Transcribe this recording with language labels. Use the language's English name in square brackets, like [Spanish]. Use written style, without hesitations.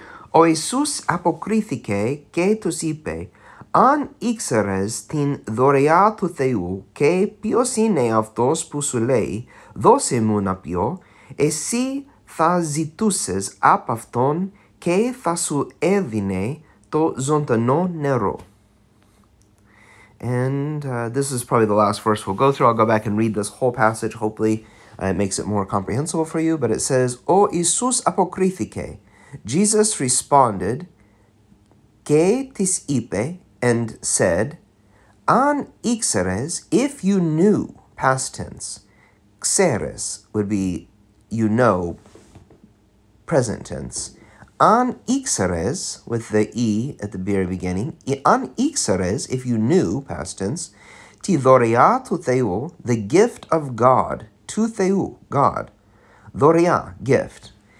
[Greek] Ο Ιησούς αποκρίθηκε και τους είπε, «Αν ήξερες την δωρεά του Θεού και ποιος είναι αυτός που σου λέει, δώσε μου να πιω, εσύ θα ζητούσες από αυτόν και θα σου έδινε το ζωντανό νερό». [English] And this is probably the last verse we'll go through. I'll go back and read this whole passage. Hopefully it makes it more comprehensible for you. But it says, [Greek] «Ο Ιησούς αποκρίθηκε». [English] Jesus responded, [Greek] Ke tis ipe, [English] and said, [Greek] An ixeres, [English] if you knew, past tense, xeres would be you know, present tense, An ixeres, with the e at the very beginning, An ixeres, if you knew, past tense, [Greek] ti dorea tu theu, [English] the gift of God, [Greek] tu theu, [English] God, dorea, gift.